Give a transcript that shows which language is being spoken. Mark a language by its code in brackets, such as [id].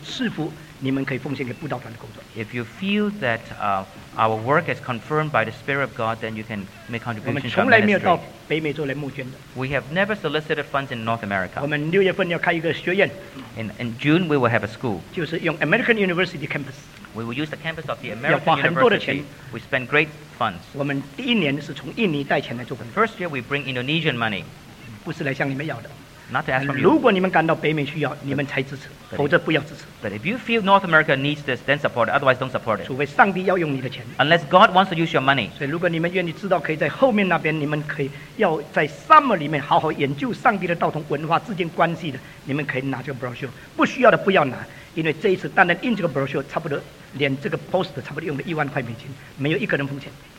[zh] 如果你们认为我的工作对你们有足的这个印证，有足的赐福，你们可以奉献给布道团的工作。 [en] If you feel that our work is confirmed by the Spirit of God, then you can make contributions to our ministry. [zh] 我们从来没有到北美洲来募捐的。 [en] We have never solicited funds in North America. [zh] 我们六月份要开一个学院。 [en] In June, we will have a school. [zh] 就是用 American University campus. [en] We will use the campus of the American University. We spend great funds. [zh] 我们第一年是从印尼带钱来做。 [en] First year, we bring Indonesian money. [zh] 不是来向你们要的。 [en] Not to ask from you. [zh] 如果你们感到北美需要，你们才支持，否则不要支持。 [en] But if you feel North America needs this, then support it. Otherwise, don't support it. [zh] 除非上帝要用你的钱。 [en] Unless God wants to use your money. [zh] 所以如果你们愿意知道，可以在后面那边，你们可以要在 summer 里面好好研究上帝的道同文化之间关系的，你们可以拿这个 brochure。不需要的不要拿，因为这一次单单印这个 brochure，差不多连这个 post 差不多用了10,000块美金，没有一个人奉献。